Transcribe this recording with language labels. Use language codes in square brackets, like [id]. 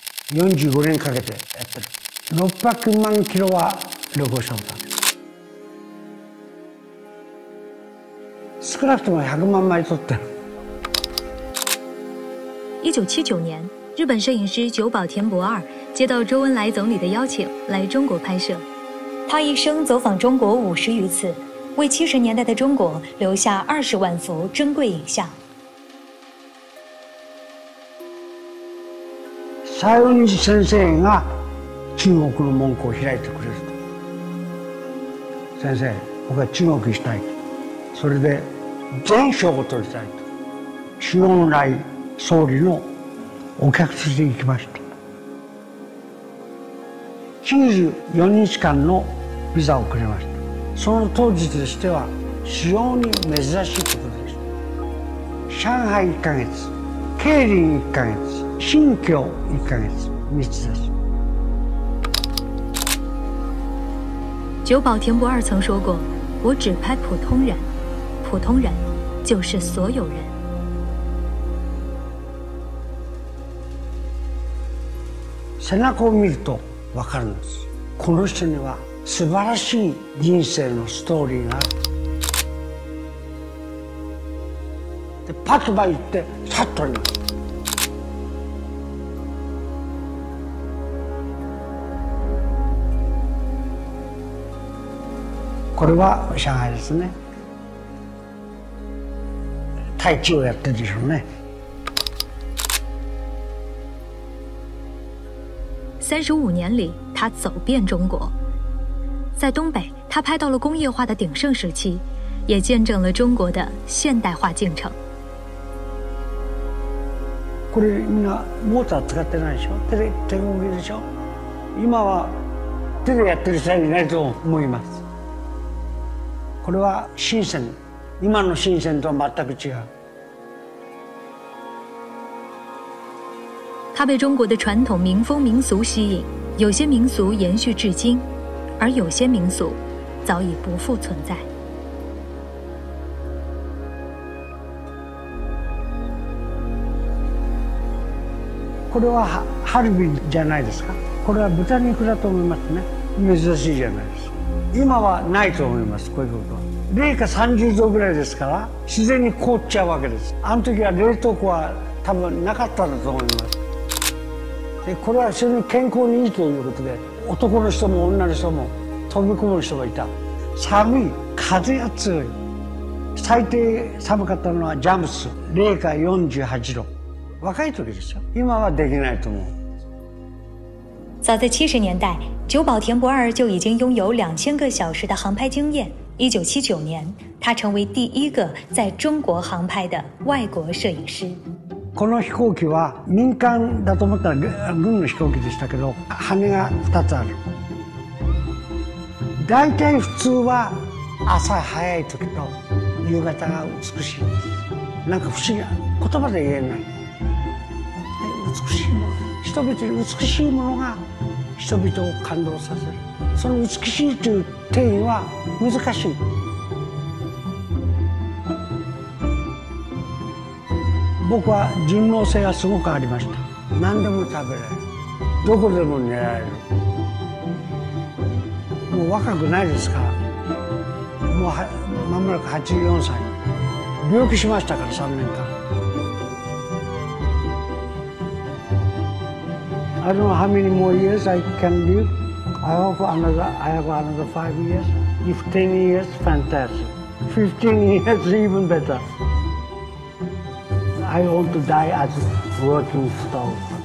[ja] 45年かけてやった600万キロは旅行したことある。少なくとも100万枚撮ってる。 [zh] 1979年日本摄影师久保田博二接到周恩来总理的邀请来中国拍摄，他一生走访中国50余次，为70年代的中国留下20万幅珍贵影像。 [ja] 西園寺先生が中国の門戸を開いてくれると。先生、僕は中国行きたいと。それで全賞を取りたいと。周恩来総理のお客として行きました。 94日間のビザをくれました。その当時としては非常に珍しいことでした。上海1ヶ月、桂林1ヶ月、新疆1ヶ月、3つです。 [zh] 久保田博二曾说过，我只拍普通人，普通人就是所有人。 [ja] 背中を見ると分かるんです。この人には素晴らしい人生のストーリーがある。で、パッと言って、さっと言います。これは上海ですね。太極をやってるでしょうね。 [zh] 35年里，他走遍中国。在东北，他拍到了工业化的鼎盛时期，也见证了中国的现代化进程。 [ja] これみんなモーター使ってないでしょ？テレビでしょ？今はテレビやってる時代になると思います。これは深圳、今の深圳とは全く違う。 [zh] 他被中国的传统民风民俗吸引，有些民俗延续至今，而有些民俗早已不复存在。 [ja] これはハルビンじゃないですか？これは豚肉だと思いますね。珍しいじゃないですか。今はないと思います。こういうことは。零下30度ぐらいですから、自然に凍っちゃうわけです。あの時は冷凍庫は多分なかったんだと思います。でこれは非常に健康にいいということで、男の人も女の人も飛び込む人がいた。寒い、風が強い。最低寒かったのはジャムス、零下48度。若い時ですよ。今はできないと思う。 [zh] 早在70年代、久保田博二就已经拥有2000个小时的航拍经验。 1979年、他成为第一个在中国航拍的外国摄影师。 [ja] この飛行機は民間だと思ったら軍の飛行機でしたけど、羽が2つある。大体普通は朝早い時と夕方が美しいんです。なんか不思議な言葉で言えない。美しいもの、人々に美しいものが人々を感動させる。その美しいという定義は難しい。僕は順応性がすごくありました。何でも食べられる、どこでも寝られる。もう若くないですから、もう間もなく84歳。病気しましたから3年間。あのハミにもう言えず、 [en] I can live I hope another I have another 5 years if 10 years fantastic 15 years even betterI want to die as working stone.